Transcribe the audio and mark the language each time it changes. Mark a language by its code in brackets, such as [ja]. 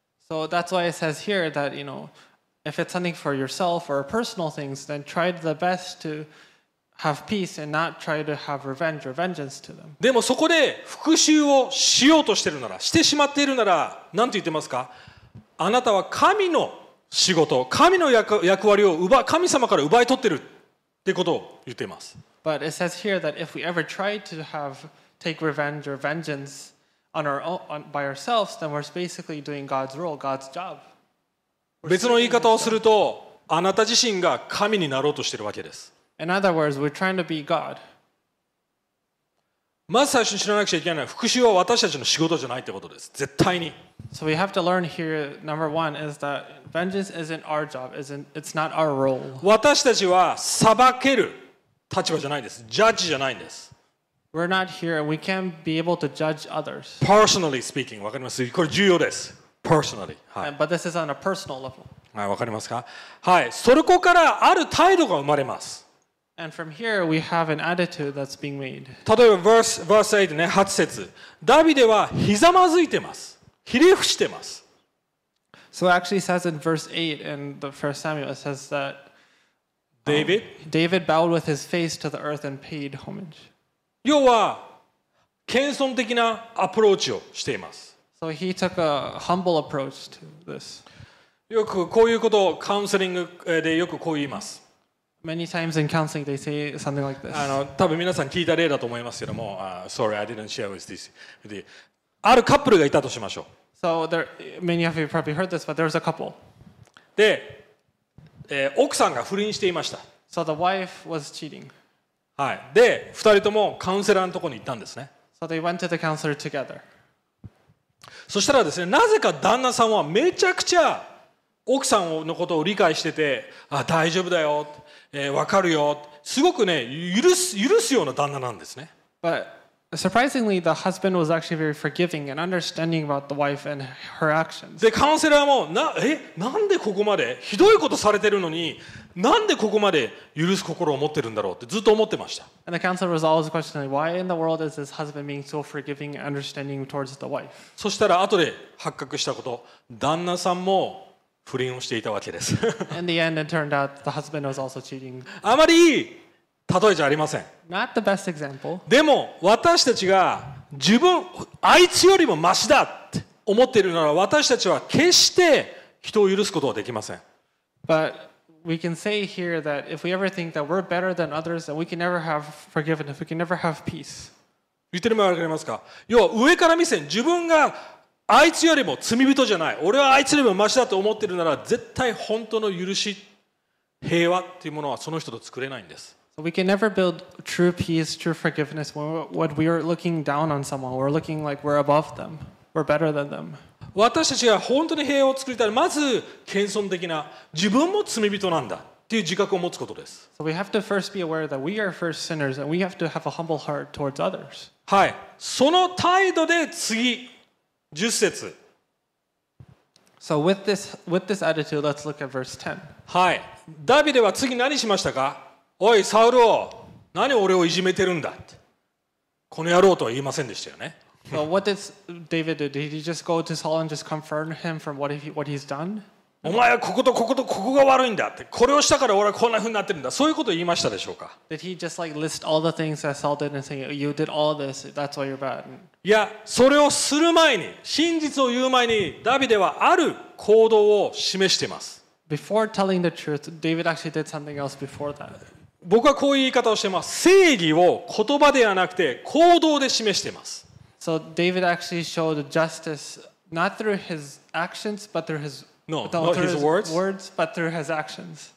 [en] So that's why it says here that, you know, if it's something for yourself or personal things, then try the best to have peace and not try to have revenge or vengeance to them. [ja] でもそこで復讐をしようとしてるなら、してしまっているなら、なんて言ってますか？あなたは神の仕事、神の役割を神様から奪い取ってるってことを言ってます。 [en] But it says here that if we ever try to take revenge or vengeance,by ourselves, then we're basically doing God's role, God's job. [ja] 別の言い方をすると、あなた自身が神になろうとしているわけです。 [en] In other words, we're trying to be God. [ja] まず最初に知らなくちゃいけないのは、復讐は私たちの仕事じゃないってことです。絶対に。 [en] So we have to learn here, number one, is that vengeance isn't our job, it's not our role. [ja] 私たちは裁ける立場じゃないです。ジャッジじゃないんです。 [en] We're not here and we can't be able to judge others. Personally speaking, [ja] わかります？これ重要です。Personally. はい。 [en] But this is on a personal level. [ja] はい、わかりますか？はい。そこからある態度が生まれます。 [en] And from here we have an attitude that's being made. [ja] 例えば verse 8ね、8節。ダビデはひざまずいてます。ひれ伏してます。 [en] So it actually says in verse 8 in the first Samuel, it says that David bowed with his face to the earth and paid homage. [ja] 要は謙遜的なアプローチをしています。 [en] So he took a humble approach to this. [ja] よくこういうことをカウンセリングでよくこう言います。 [en] Many times in counseling they say something like this. [ja] 多分皆さん聞いた例だと思いますけども、 [en] Sorry, I didn't share with this. [ja] あるカップルがいたとしましょう。 [en] So there, many of you probably heard this, but there was a couple. [ja] で、奥さんが不倫していました。 [en] So the wife was cheating. [ja] はい、で2人ともカウンセラーのところに行ったんですね。 [en] So they went to the counselor together. [ja] そしたらですね、なぜか旦那さんはめちゃくちゃ奥さんのことを理解してて、あ、大丈夫だよ、分かるよ、すごくね、許すような旦那なんですね。 [en] But surprisingly, the husband was actually very forgiving and understanding about the wife and her actions. [ja] で、カウンセラーも、なんでここまで、ひどいことされてるのに、なんでここまで許す心を持ってるんだろうってずっと思ってました。 [en] And the counselor was always questioning, why in the world is this husband being so forgiving and understanding towards the wife? [ja] そしたら、後で発覚したこと、旦那さんも、不倫をしていたわけです。 [en] In the end, it turned out the husband was also cheating. [ja] あまりいい例えじゃありません。 [en] Not the best example. [ja] でも私たちが自分あいつよりもマシだって思っているなら私たちは決して人を許すことはできません。 [en] But we can say here that if we ever think that we're better than others, that we can never have forgiveness, we can never have peace. [ja] 言ってるのはわかりますか？要は上から見せん自分があいつよりも罪人じゃない。俺はあいつよりもマシだと思ってるなら、絶対本当の許し、平和っていうものはその人と作れないんです。 [en] We can never build true peace, true forgiveness when we are looking down on someone. We're looking like we're above them. We're better than them. [ja] 私たちが本当に平和を作りたい。まず、謙遜的な、自分も罪人なんだっていう自覚を持つことです。 [en] So we have to first be aware that we are first sinners and we have to have a humble heart towards others. [ja] はい。その態度で次。10節。 [en] So with this attitude, let's look at verse 10. [ja] はい。ダビデは次何しましたか？おい、サウル王、何俺をいじめてるんだって。この野郎とは言いませんでしたよね。 [en] So what did David do? Did he just go to Saul and just confront him from what he's done? [ja] お前はこことこことここが悪いんだって。これをしたから俺はこんな風になってるんだ。そういうことを言いましたでしょうか？ [en] Did he just like list all the things that Saul did and say, you did all this, that's why you're bad? [ja] いや、それをする前に、真実を言う前に、ダビデはある行動を示しています。 [en] Before telling the truth, David actually did something else before that. [ja] 僕はこういう言い方をしています。正義を言葉ではなくて行動で示しています。 [en] So David actually showed justice not through his actions, but through his words, but through his actions.